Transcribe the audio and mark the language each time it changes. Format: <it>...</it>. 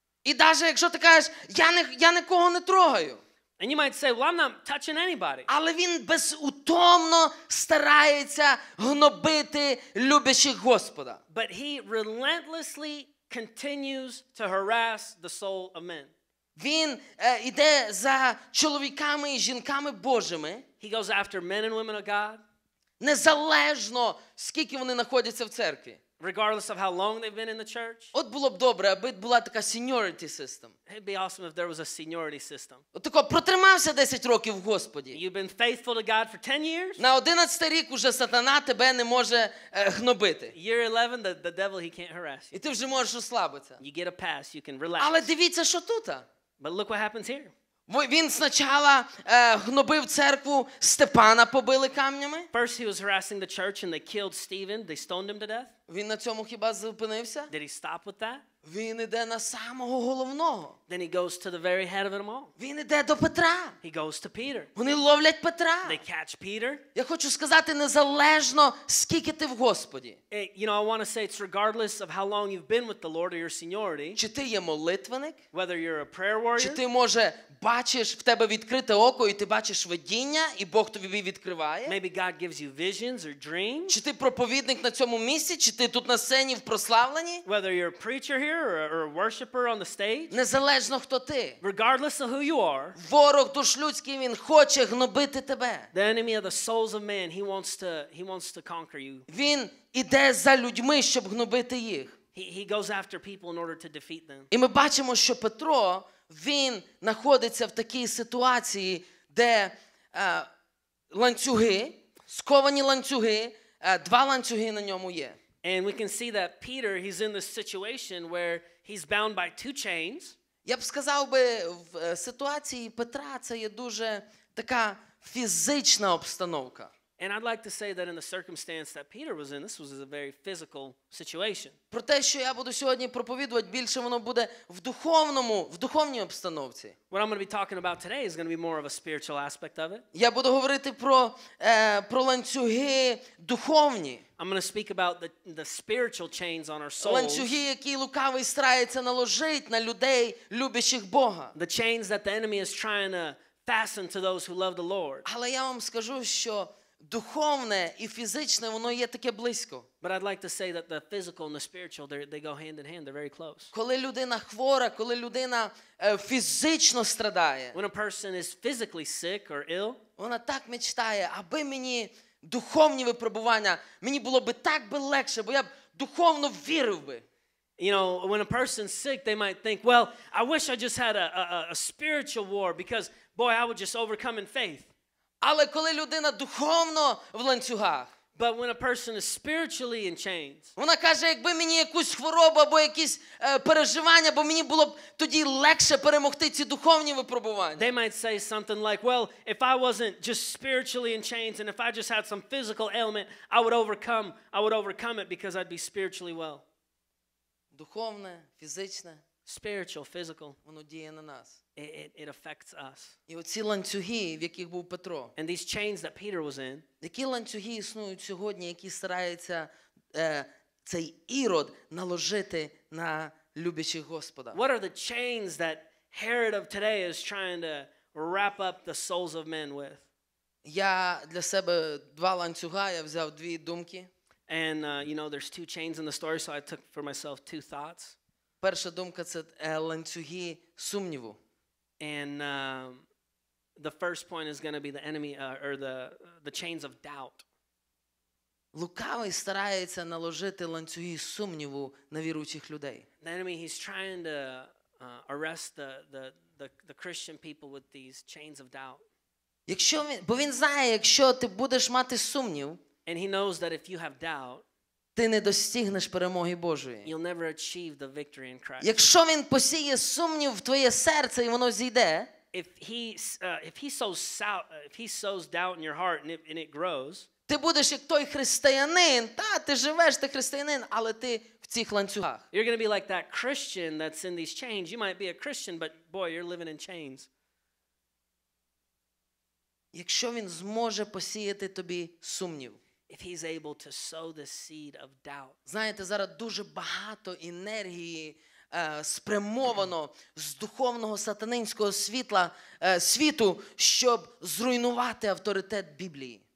<uk>І даже якщо ти кажеш, я нікого не трогаю.</uk> <en>And you might say, well, I'm not touching anybody.</en> <uk>Але він безутомно старається гнобити любящих Господа.</uk> <en>But he relentlessly continues to harass the soul of men.</en> <uk>Він іде за чоловіками і жінками Божими.</uk> <en>He goes after men and women of God.</en> <uk>Незалежно, скільки вони знаходяться в церкві.</uk> <en>Regardless of how long they've been in the church.</en> <uk>От було б добре, аби була така</uk> <en>seniority system. It'd be awesome if there was a seniority system.</en> <uk>От тако протримався 10 років в Господі.</uk> <en>You've been faithful to God for 10 years.</en> <uk>На 11-й рік уже сатана тебе не може гнобити.</uk> <en>Year 11, the devil, he can't harass you.</en> <uk>І ти вже можеш ослабитися.</uk> <en>You get a pass, you can relax.</en> <uk>Але дивіться, що тут.</uk> <en>But look what happens here.</en> <uk>Він спочатку гнобив церкву, Степана побили камнями.</uk> <en>First he was harassing the church and they killed Stephen, they stoned him to death.</en> <uk>Він на цьому хіба зупинився?</uk> <en>Did he stop with that?</en> <uk>Він іде на самого головного.</uk> <en>Then he goes to the very head of it all.</en> <uk>Він іде до Петра.</uk> <en>He goes to Peter.</en> <uk>Вони ловлять Петра.</uk> <en>They catch Peter.</en> <uk>Я хочу сказати, незалежно скільки ти в Господі.</uk> <en>You know, I want to say it's regardless of how long you've been with the Lord or your seniority.</en> <uk>Чи ти є молитвенник?</uk> <en>Whether you're a prayer warrior.</en> <uk>Чи ти, може, бачиш, в тебе відкрите око, і ти бачиш видіння, і Бог тобі відкриває?</uk> <en>Maybe God gives you visions or dreams.</en> <uk>Чи ти проповідник на цьому місці, чи ти тут на сцені в прославленні?</uk> <en>Whether you're a preacher here or a worshiper on the stage.</en> <uk>Незалежно хто ти.</uk> <en>Regardless of who you are.</en> <uk>Ворог душ людський, він хоче гнобити тебе.</uk> <en>The enemy of the souls of man, he wants to conquer you.</en> <uk>Він іде за людьми, щоб гнобити їх.</uk> <en>He goes after people in order to defeat them.</en> <uk>І ми бачимо, що Петро, він знаходиться в такій ситуації, де ланцюги, сковані ланцюги, два ланцюги на ньому є.</uk> <en>And we can see that Peter, he's in this situation where he's bound by two chains.</en> <uk>Я б сказав би, в ситуації Петра це є дуже така фізична обстановка.</uk> <en>And I'd like to say that in the circumstance that Peter was in, this was a very physical situation.</en> <uk>Про те, що я буду сьогодні проповідувати, більше воно буде в духовній обстановці.</uk> <en>What I'm going to be talking about today is going to be more of a spiritual aspect of it.</en> <uk>Я буду говорити про ланцюги духовні.</uk> <en>I'm going to speak about the spiritual chains on our souls.</en> <uk>Ланцюги, які лукавий старається наложити на людей, любящих Бога.</uk> <en>The chains that the enemy is trying to fasten to those who love the Lord.</en> <uk>Але я вам скажу, що духовне і фізичне, воно є таке близько.</uk> <en>But I'd like to say that the physical and the spiritual, they go hand in hand, they're very close.</en> <uk>Коли людина хвора, коли людина фізично страдає.</uk> <en>When a person is physically sick or ill,</en> <uk>вона так мечтає, аби мені духовні випробування, мені було би так би легше, бо я б духовно вірив би.</uk> <en>You know, when a person's sick, they might think, well, I wish I just had a spiritual war because, boy, I would just overcome in faith.</en> <uk>Але коли людина духовно в ланцюгах,</uk> <en>but when a person is spiritually in chains,</en> <uk>вона каже, якби мені якусь хворобу або якісь переживання, бо мені було б тоді легше перемогти ці духовні випробування.</uk> <en>They might say something like, well, if I wasn't just spiritually in chains and if I just had some physical ailment, I would overcome it because I'd be spiritually well.</en> <uk>Духовне, фізичне,</uk> <en>spiritual, physical,</en> <uk>воно діє на нас.</uk> <en>It affects us.</en> <uk>І оці ланцюги, в яких був Петро.</uk> <en>And these chains that Peter was in.</en> <uk>Які ланцюги існують сьогодні, які старається цей Ірод наложити на любящих Господа?</uk> <en>What are the chains that Herod of today is trying to wrap up the souls of men with?</en> <uk>Я для себе два ланцюга, я взяв дві думки.</uk> <en>And you know, there's two chains in the story, so I took for myself two thoughts.</en> <uk>Перша думка – це ланцюги сумніву.</uk> <en>And the first point is going to be the enemy or the chains of doubt.</en> <uk>Лукавий старається наложити ланцюги сумніву на віруючих людей.</uk> <en>The enemy, he's trying to arrest the Christian people with these chains of doubt.</en> <uk>Якщо він, бо він знає, якщо ти будеш мати сумнів,</uk> <en>and he knows that if you have doubt,</en> <uk>ти не достигнеш перемоги Божої.</uk> <en>You'll never achieve the victory in Christ.</en> <uk>Якщо він посіє сумнів в твоє серце і воно зійде,</uk> <en>if he sows doubt in your heart and it grows,</en> <uk>ти будеш як той християнин, та ти живеш, ти християнин, але ти в цих ланцюгах.</uk> <en>You're going to be like that Christian that's in these chains. You might be a Christian, but boy, you're living in chains.</en> <uk>Якщо він зможе посіяти тобі сумнів,</uk> <en>if he's able to sow the seed of doubt.</en> <uk>Знаєте, зараз дуже багато енергії спрямовано з духовного сатанинського світла, світу, щоб зруйнувати авторитет Біблії.</uk>